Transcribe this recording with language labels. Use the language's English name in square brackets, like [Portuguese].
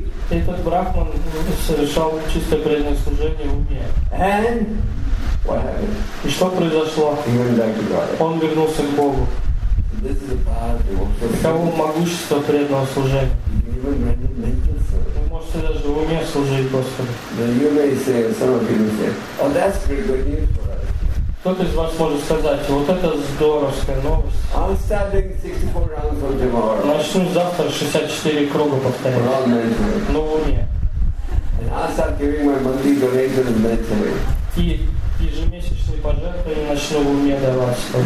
[Russian] Этот брахман совершал чистое преданное служение в уме. [English] And what happened? [Russian] И что произошло? [English] He went back to God. [Russian] Он вернулся к Богу. [English] This is the power of devotional service. [Russian] Таково могущество преданного служения. [English] Even mental service. [Russian] Вы можете даже в уме служить Господу. [English] Then you may say, some of you say, oh, that's great, good news for us. [Russian] Кто-то из вас может сказать, вот это здоровская новость. [English] I'm starting 64 rounds for tomorrow. [Russian] Начну завтра 64 круга повторять. [English] For all mental. [Russian] Но в уме. [English] And I'll start giving my monthly donations mentally. [Russian] И ежемесячные пожертвования начну в уме давать.